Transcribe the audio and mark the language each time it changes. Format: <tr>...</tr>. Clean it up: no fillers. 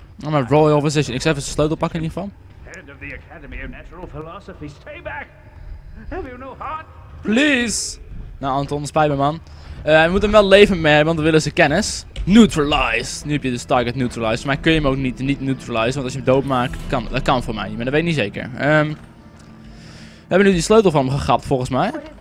<nl>Mijn</nl> <en>royal position.</en> <nl>Ik zal even de sleutel pakken in ieder geval.</nl> <en>Head of the Academy of Natural Philosophy. Stay back! Have you no heart? Please!</en> <nl>Nou Anton, spijt me man. We moeten hem wel levend mee hebben, want we willen ze kennis. Neutralize! Nu heb je dus target neutralize. Maar kun je hem ook niet neutralize, want als je hem dood maakt, dat kan voor mij niet. Maar dat weet ik niet zeker. We hebben nu die sleutel van hem gegrapt, volgens mij.</nl>